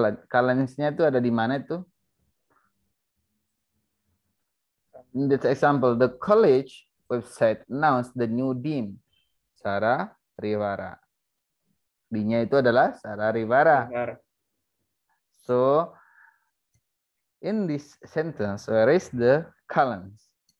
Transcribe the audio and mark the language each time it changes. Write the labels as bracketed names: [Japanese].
[Indonesian] Colons-nya itu ada di mana itu? [English] In this example, the college website announced the new dean, Shara Rivera. [Indonesian] D-nya itu adalah Shara Rivera. [English] So, in this sentence, where is the colons?